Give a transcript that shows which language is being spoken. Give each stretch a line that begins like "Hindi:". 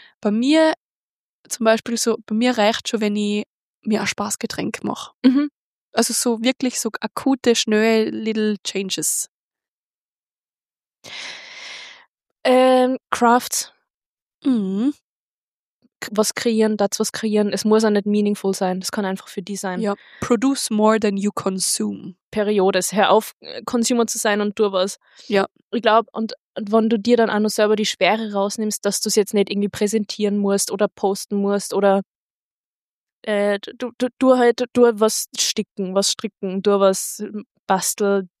German: bei mir zum Beispiel so, bei mir reicht schon, wenn ich mir ein Spaßgetränk mache. Mhm. Also so wirklich so akute, schnelle
English: little changes. Craft. Mhm.
German: Was kreieren, das was kreieren. Es muss auch nicht meaningful sein. Das kann einfach für die sein.
English: Ja, produce more than you consume.
German: Periode. Hör auf, Consumer zu sein und tu was. Ja. Ich glaube, und wenn du dir dann auch noch selber die Schwere rausnimmst, dass du es jetzt nicht irgendwie präsentieren musst oder posten musst oder du halt, du was sticken, du was basteln,